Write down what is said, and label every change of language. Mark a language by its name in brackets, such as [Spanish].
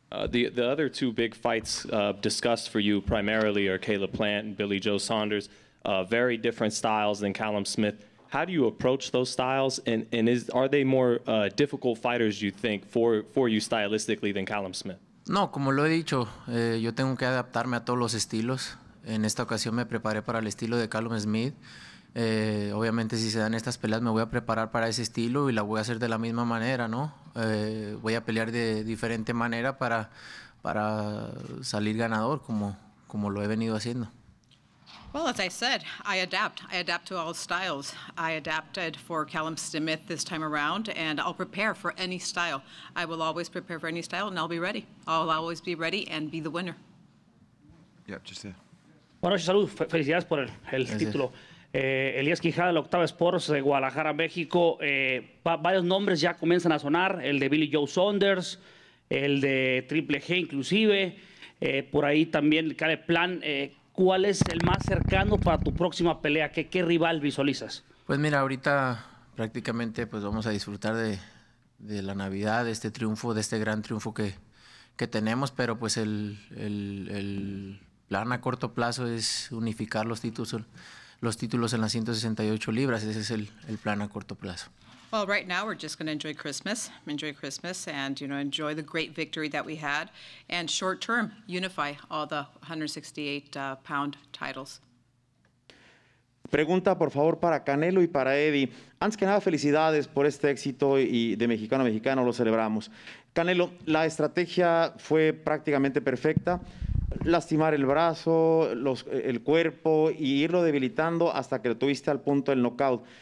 [English] The other two big fights discussed for you primarily are Caleb Plant and Billy Joe Saunders, very different styles than Callum Smith. How do you approach those styles, and are they more difficult fighters, you think, for you stylistically than Callum Smith? [Spanish] No, como lo he dicho, yo tengo que adaptarme a todos los estilos. En esta ocasión me preparé para el estilo de Callum Smith. Obviamente si se dan estas peleas me voy a preparar para ese estilo y la voy a hacer de la misma manera, ¿no? Voy a pelear de diferente manera para salir ganador como lo he venido haciendo. [English] Well, as I said, I adapt. I adapt to all styles. I adapted for Callum Smith this time around, and I'll prepare for any style. I will always prepare for any style, and I'll be ready. I'll always be ready and be the winner. Yeah, just there. [Spanish] Bueno, salud. Felicidades por el título. Elías Quijada, el Octava Sports de Guadalajara, México. Varios nombres ya comienzan a sonar. El de Billy Joe Saunders, el de Triple G inclusive. Por ahí también cae plan. ¿Cuál es el más cercano para tu próxima pelea? ¿Qué rival visualizas? Pues mira, ahorita prácticamente pues vamos a disfrutar de la Navidad, de este triunfo, de este gran triunfo que tenemos. Pero pues el plan a corto plazo es unificar los títulos en las 168 libras. Ese es el plan a corto plazo. [English] Well, right now we're just going to enjoy Christmas and, you know, enjoy the great victory that we had, and short term unify all the 168 pound titles. [Spanish] Pregunta, por favor, para Canelo y para Eddie. Antes que nada, felicidades por este éxito y de mexicano a mexicano lo celebramos. Canelo, la estrategia fue prácticamente perfecta. Lastimar el brazo, el cuerpo y irlo debilitando hasta que lo tuviste al punto del knockout.